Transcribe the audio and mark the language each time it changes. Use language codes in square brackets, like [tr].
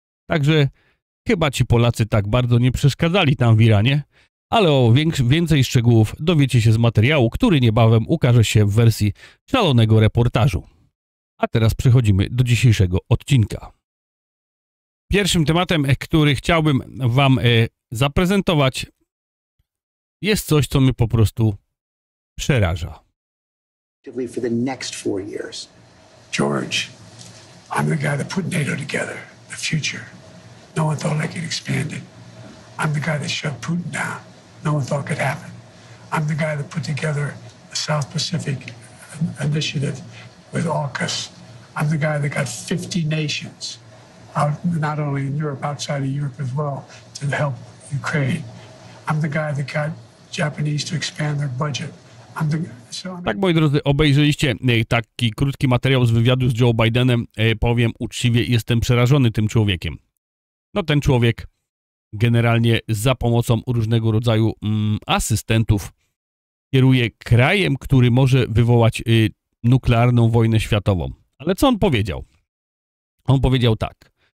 [pl] Także chyba ci Polacy tak bardzo nie przeszkadzali tam w Iranie, ale o więcej szczegółów dowiecie się z materiału, który niebawem ukaże się w wersji szalonego reportażu. A teraz przechodzimy do dzisiejszego odcinka. Pierwszym tematem, który chciałbym wam zaprezentować, jest coś, co mnie po prostu przeraża. [en] For the next four years. George, I'm the guy that put NATO together, the future. No one thought I could expand it. I'm the guy that shut Putin down. No one thought could happen. I'm the guy that put together the South Pacific initiative with AUKUS. I'm the guy that got 50 nations out, not only in Europe, outside of Europe as well, to help Ukraine. I'm the guy that got Japanese to expand their budget. [pl] Tak, moi drodzy, obejrzeliście taki krótki materiał z wywiadu z Joe Bidenem. Powiem uczciwie, jestem przerażony tym człowiekiem. No ten człowiek generalnie za pomocą różnego rodzaju asystentów kieruje krajem, który może wywołać nuklearną wojnę światową. Ale co on powiedział? On powiedział tak.